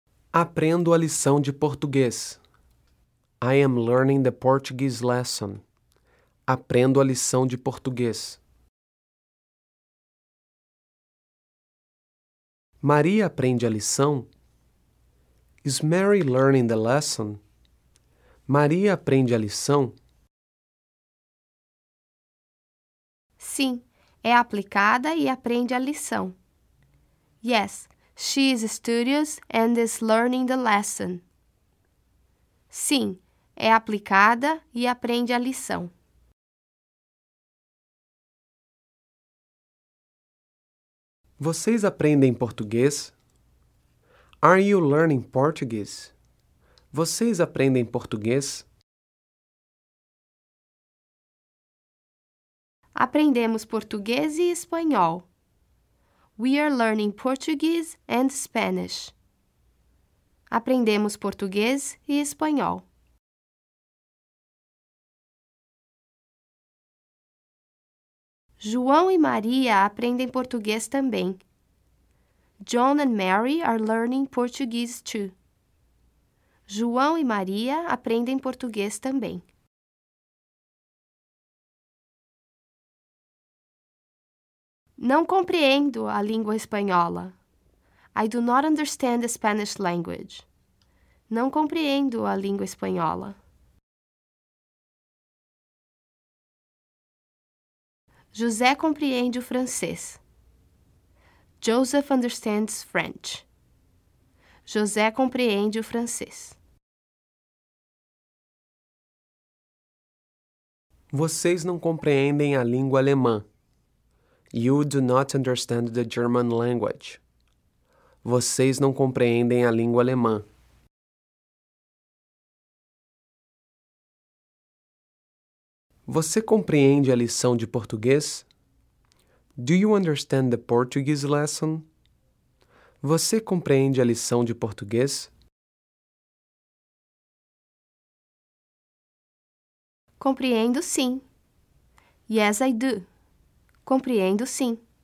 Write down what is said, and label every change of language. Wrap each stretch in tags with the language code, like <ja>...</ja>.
<pt>Aprendo a lição de português.</pt> <en>I am learning the Portuguese lesson.</en> <pt>Aprendo a lição de português. Maria aprende a lição?</pt> <en>Is Mary learning the lesson?</en> <pt>Maria aprende a lição? Sim, é aplicada e aprende a lição.</pt> <en>Yes, she is studious and is learning the lesson.</en> <pt>Sim, é aplicada e aprende a lição. Vocês aprendem português?</pt> <en>Are you learning Portuguese?</en> <pt>Vocês aprendem português? Aprendemos português e espanhol.</pt> <en>We are learning Portuguese and Spanish.</en> <pt>Aprendemos português e espanhol. João e Maria aprendem português também.</pt> <en>John and Mary are learning Portuguese too.</en> <pt>João e Maria aprendem português também. Não compreendo a língua espanhola.</pt> <en>I do not understand the Spanish language.</en> <pt>Não compreendo a língua espanhola. José compreende o francês.</pt> <en>Joseph understands French.</en> <pt>José compreende o francês. Vocês não compreendem a língua alemã.</pt> <en>You do not understand the German language.</en> <pt>Vocês não compreendem a língua alemã. Você compreende a lição de português?</pt> <en>Do you understand the Portuguese lesson?</en> <pt>Você compreende a lição de português? Compreendo sim.</pt> <en>Yes, I do.</en> <pt>Compreendo sim.</pt>